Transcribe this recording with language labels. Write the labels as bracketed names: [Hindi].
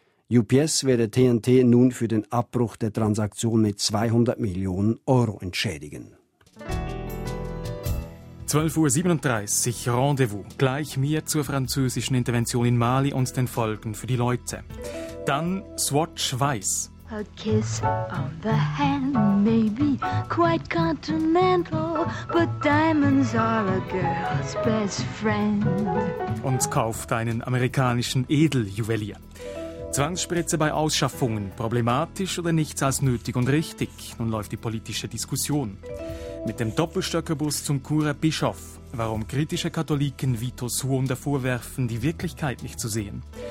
[German] UPS werde TNT nun für den Abbruch der Transaktion mit 200 Millionen Euro entschädigen. 12.37 Uhr, Rendezvous. Gleich mehr zur französischen Intervention in Mali und den Folgen für die Leute. Dann Swatch Weiss. [English] A kiss on the hand may be quite continental, but diamonds are a girl's best friend. [German] Und kauft einen amerikanischen Edeljuwelier. Zwangsspritze bei Ausschaffungen, problematisch oder nichts als nötig und richtig? Nun läuft die politische Diskussion. Mit dem Doppelstöckerbus zum Churer Bischof, warum kritische Katholiken Vitus Huon davor werfen, die Wirklichkeit nicht zu sehen.